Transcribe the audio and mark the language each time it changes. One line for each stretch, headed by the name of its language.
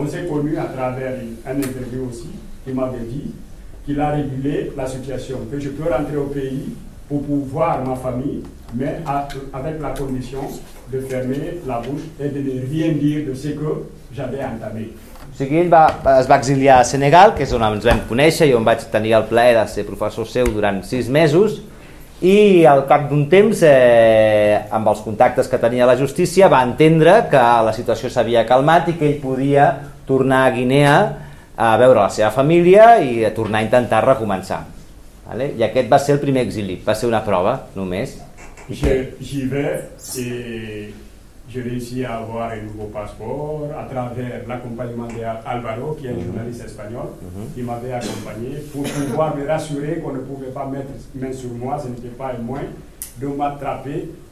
French: connu à travers un interview aussi, qui m'avait dit qu'il a régulé la situation, que je peux rentrer au pays pour pouvoir ma famille, mais avec la condition de fermer la bouche et de ne rien dire de ce que j'avais entamé.
Catalan: O sigui, ell es va exiliar a Senegal, que és on ens vam conèixer i on vaig tenir el plaer de ser professor seu durant 6 mesos, i al cap d'un temps, amb els contactes que tenia la justícia, va entendre que la situació s'havia calmat i que ell podia tornar a Guinea a veure la seva família i a tornar a intentar recomençar. Vale? I aquest va ser el primer exili, va ser una prova només.
French: J'y vais et je réussis à avoir un nouveau passeport à travers l'accompagnement d'Alvaro, qui est un journaliste espagnol, qui m'avait accompagné pour pouvoir me rassurer qu'on ne pouvait pas mettre main sur moi, ce n'était pas le moins de m'attraper.